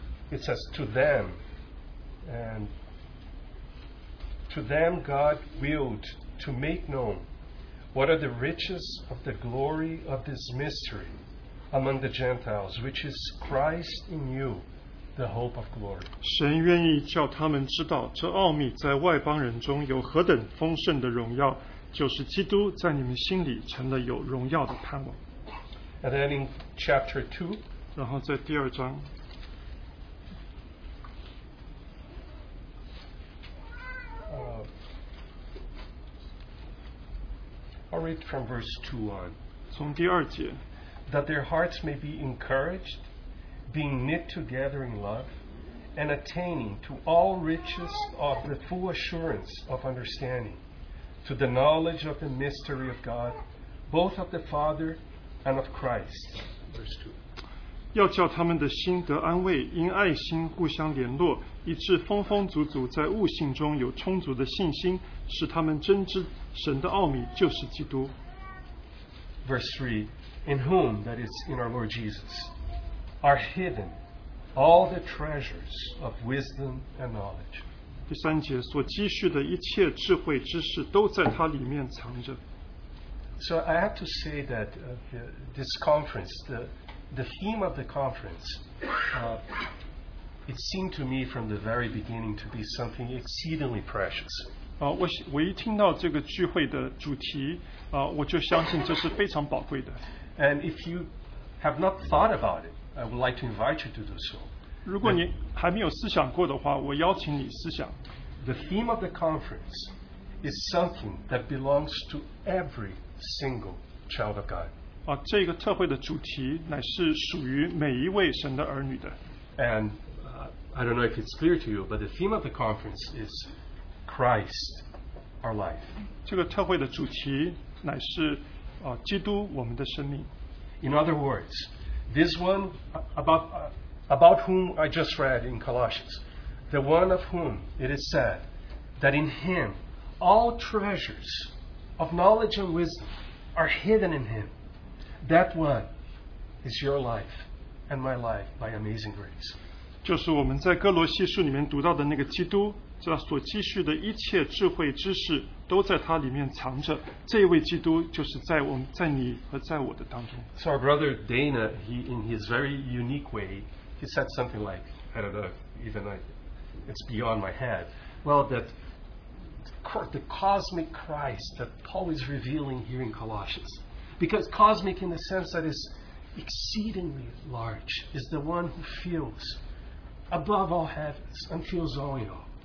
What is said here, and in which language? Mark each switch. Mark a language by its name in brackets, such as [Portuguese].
[English] It says, To them God willed to make known what are the riches of the glory of this mystery among the Gentiles, which is Christ in you, the hope of glory. [Chinese] 神愿意叫他们知道这奥秘在外邦人中有何等丰盛的荣耀。就是基督在你们心里成了有荣耀的盼望。 [English] And then in chapter 2, [Chinese] 然后在第二章 [English] I'll read from verse 2 on. [Chinese] 从第二节 [English] That their hearts may be encouraged, being knit together in love, and attaining to all riches of the full assurance of understanding. To the knowledge of the mystery of God, both of the Father and of Christ. Verse 2. [Chinese] 要叫他们的心得安慰，因爱心互相联络，以致丰丰足足在悟性中有充足的信心，使他们真知神的奥秘就是基督。 [English] Verse 3. In whom, that is in our Lord Jesus, are hidden all the treasures of wisdom and knowledge. [Chinese] 第三节所积蓄的一切智慧知识都在它里面藏着。 [English] So I have to say that this conference, the theme of the conference, it seemed to me from the very beginning to be something exceedingly precious. [Chinese] 我一听到这个聚会的主题，我就相信这是非常宝贵的。 [English] And if you have not thought about it, I would like to invite you to do so. [Chinese] 如果你还没有思想过的话，我邀请你思想。 [English] The theme of the conference is something that belongs to every single child of God. [Chinese] 这个特会的主题乃是属于每一位神的儿女的。 [English] And I don't know if it's clear to you, but the theme of the conference is Christ, our life. [Chinese] 这个特会的主题乃是基督我们的生命。 [English] In other words, This one about whom I just read in Colossians, the one of whom it is said that in him all treasures of knowledge and wisdom are hidden in him. That one is your life and my life by amazing grace. [Chinese] 就是我们在哥罗西书里面读到的那个基督，这所积蓄的一切智慧知识都在他里面藏着。这位基督就是在我们在你和在我的当中。 [English] So our brother Dana, he in his very unique way, he said something like, I don't know, even it's beyond my head. Well, that the cosmic Christ that Paul is revealing here in Colossians, because cosmic in the sense that is exceedingly large, is the one who feels above all heavens and feels all in all.